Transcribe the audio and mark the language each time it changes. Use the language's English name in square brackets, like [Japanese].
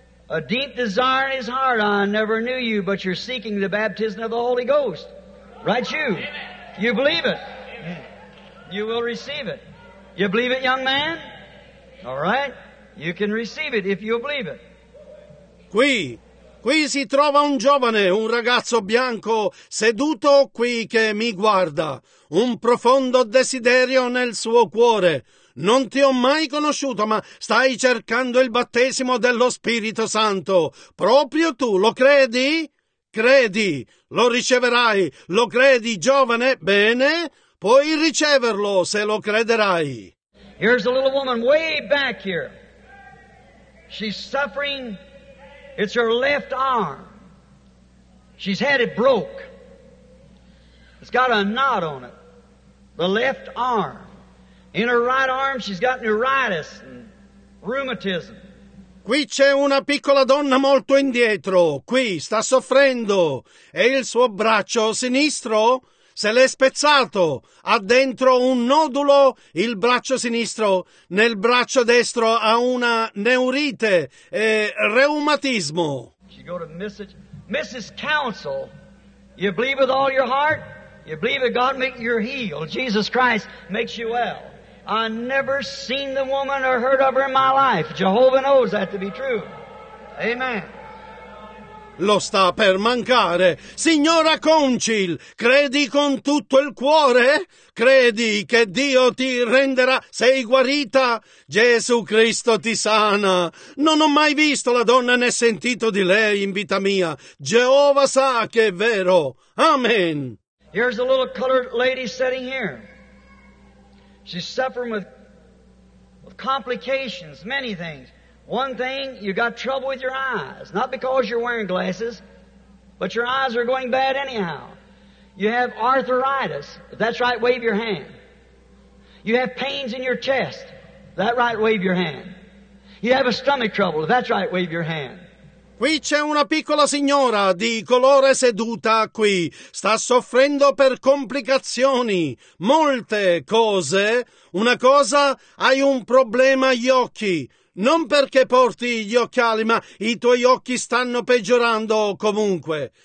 [English] A deep desire in his heart, I never knew you, but you're seeking the baptism of the Holy Ghost. Right you. Amen. You believe it. Amen. You will receive it. You believe it, young man? All right. You can receive it if you believe it. [Italian] Qui si trova un giovane, un ragazzo bianco, seduto qui che mi guarda. Un profondo desiderio nel suo cuore. Non ti ho mai conosciuto, ma stai cercando il battesimo dello Spirito Santo. Proprio tu, lo credi? Credi, lo riceverai. Lo credi, giovane? Bene, puoi riceverlo se lo crederai. [English] Here's a little woman way back here. She's suffering. It's her left arm. She's had it broke. It's got a knot on it. The left arm. In her right arm she's got neuritis and rheumatism. [Italian] Qui c'è una piccola donna molto indietro. Qui sta soffrendo. E il suo braccio sinistro se l'è spezzato. Ha dentro un nodulo il braccio sinistro. Nel braccio destro ha una neurite e reumatismo. [English] She go to Mrs. Council. You believe with all your heart? You believe that God make you healed. Jesus Christ makes you well. I never seen the woman or heard of her in my life. Jehovah knows that to be true. Amen. [Italian] Lo sta per mancare. Signora Council, credi con tutto il cuore? Credi che Dio ti renderà? Sei guarita? Gesù Cristo ti sana. Non ho mai visto la donna né sentito di lei in vita mia. Geova sa che è vero. Amen. [English] Here's a little colored lady sitting here. She's suffering with complications, many things. One thing, you got trouble with your eyes. Not because you're wearing glasses, but your eyes are going bad anyhow. You have arthritis. If that's right, wave your hand. You have pains in your chest. If that right, wave your hand. You have a stomach trouble. If that's right, wave your hand. [Italian] Qui c'è una piccola signora di colore seduta qui. Sta soffrendo per complicazioni, molte cose. Una cosa, hai un problema agli occhi. Non perché porti gli occhiali, ma i tuoi occhi stanno peggiorando comunque.